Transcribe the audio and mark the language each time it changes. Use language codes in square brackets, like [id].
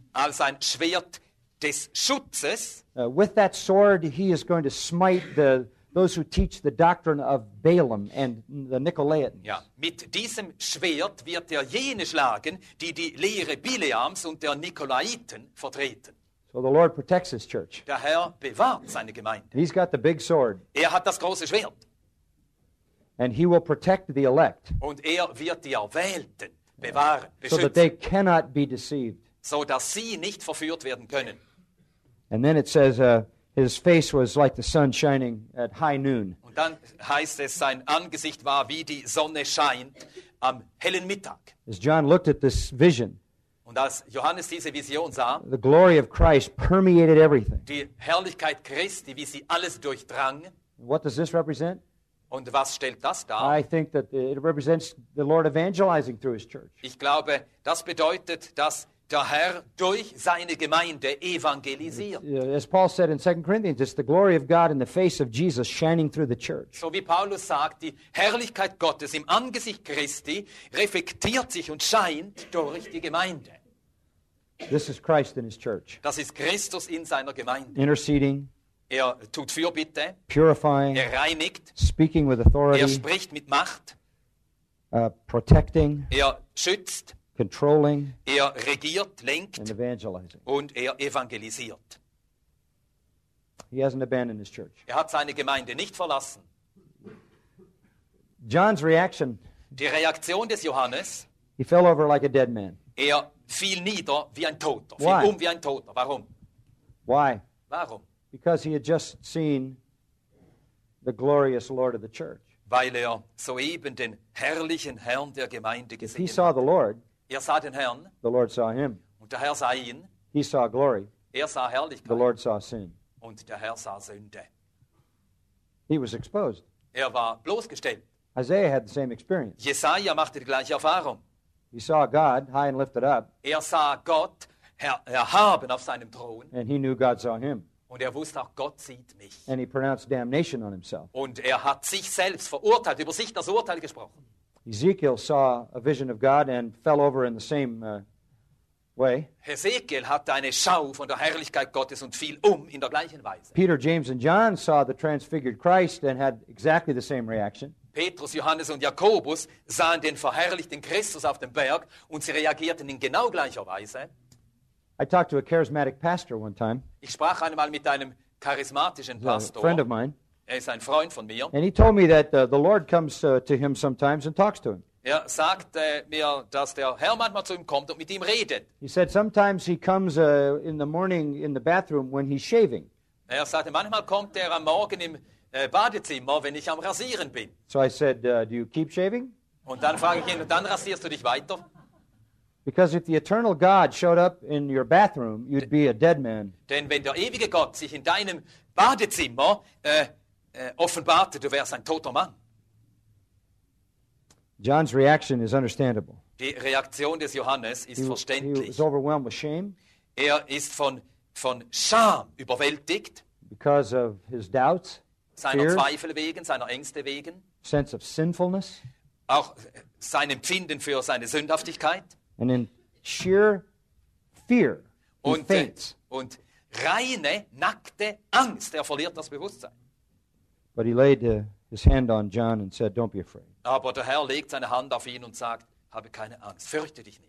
[de] Als ein Schwert des Schutzes. [en] With that sword he is going to smite the those who teach the doctrine of Balaam and the Nicolaitans. [de] Ja, mit diesem Schwert wird jene schlagen, die Lehre Bileams und der Nikolaiten vertreten. [en] So the Lord protects his church. [de] Der Herr bewahrt seine Gemeinde. [en] He's got the big sword. [de] Er hat das große Schwert. [en] And he will protect the elect. [de] Und wird die Erwählten bewahren, so beschützen. [en] That they cannot be deceived. [de] So dass sie nicht verführt werden können. [en] And then it says, his face was like the sun shining at high noon. [de] Und dann heißt es, sein Angesicht war wie die Sonne scheint am hellen Mittag. [en] As John looked at this vision, [de] und als Johannes diese Vision sah, [en] the glory of Christ permeated everything. [de] Die Herrlichkeit Christi, wie sie alles durchdrang. [en] What does this represent? [de] Und was stellt das dar? [en] I think that it represents the Lord evangelizing through his church. [de] Ich glaube, das bedeutet, dass der Herr durch seine Gemeinde evangelisiert. [en] As Paul said in 2 Corinthians, it's the glory of God in the face of Jesus shining through the church. [de] So wie Paulus sagt, die Herrlichkeit Gottes im Angesicht Christi reflektiert sich und scheint durch die Gemeinde. [en] This is Christ in his church. [de] Das ist Christus in seiner Gemeinde. [en] Interceding. [de] Er tut Fürbitte. [en] Purifying. [de] Er reinigt. [en] Speaking with authority. [de] Er spricht mit Macht. [en] Protecting. [de] Er schützt. [en] Controlling, [de] er regiert, lenkt, [en] and evangelizing. [de] Und er evangelisiert. [en] He hasn't abandoned his church. [de] Er hat seine Gemeinde nicht verlassen. [en] John's reaction. [de] Die Reaktion des Johannes. [en] He fell over like a dead man. [de] Er fiel nieder wie ein Toter. [en] Why? [de] Fiel um wie ein Toter. Warum? [en] Why? [de] Warum? [en] Because he had just seen the glorious Lord of the church. [de] Weil er soeben den herrlichen Herrn der Gemeinde gesehen hat. [en] He saw the Lord. [de] Er sah den Herrn. [en] The Lord saw him. [de] Und der Herr sah ihn. [en] He saw glory. [de] Er sah Herrlichkeit. [en] The Lord saw sin. [de] Und der Herr sah Sünde. [en] He was exposed. [de] Er war bloßgestellt. [en] Isaiah had the same experience. [de] Jesaja machte die gleiche Erfahrung. [en] He saw God high and lifted up. [de] Er sah Gott erhaben auf seinem Thron. [en] And he knew God saw him. [de] Und er wusste auch, Gott sieht mich. [en] And he pronounced damnation on himself. [de] Und er hat sich selbst verurteilt, über sich das Urteil gesprochen. [en] Ezekiel saw a vision of God and fell over in the same way. [de] Ezekiel hatte eine Schau von der Herrlichkeit Gottes und fiel um in der gleichen Weise. [en] Peter, James and John saw the transfigured Christ and had exactly the same reaction. [de] Petrus, Johannes und Jakobus sahen den verherrlichten Christus auf dem Berg und sie reagierten in genau gleicher Weise. [en] I talked to a charismatic pastor one time. [de] Ich sprach einmal mit einem charismatischen Pastor. [en] A friend of mine. [de] Er ist ein Freund von mir. [en] And he told me that the Lord comes to him sometimes and talks to him. [de] Er sagte mir, dass der Herr manchmal zu ihm kommt und mit ihm redet. [en] He said sometimes he comes in the morning in the bathroom when he's shaving. [de] Er sagte, manchmal kommt er am Morgen im Badezimmer, wenn ich am Rasieren bin. [en] So I said, do you keep shaving? [de] Und dann frage ich ihn, dann rasierst du dich weiter? [en] Because if the eternal God showed up in your bathroom, you'd be a dead man. [de] Denn wenn der ewige Gott sich in deinem Badezimmer offenbarte, du wärst ein toter Mann. [en] John's reaction is understandable. [de] Die Reaktion des Johannes ist verständlich. [en] He was overwhelmed with shame. [de] Er ist von Scham überwältigt. [en] Because of his doubts. [de] Seiner Zweifel wegen, seiner Ängste wegen. [en] Sense of sinfulness. [de] Auch sein Empfinden für seine Sündhaftigkeit. [en] And in sheer fear, [de] und, [en] he faints. [de] Und reine, nackte Angst, er verliert das Bewusstsein. [en] But he laid his hand on John and said, don't be afraid. [de] Aber der Herr legt seine Hand auf ihn und sagt, habe keine Angst, fürchte dich nicht.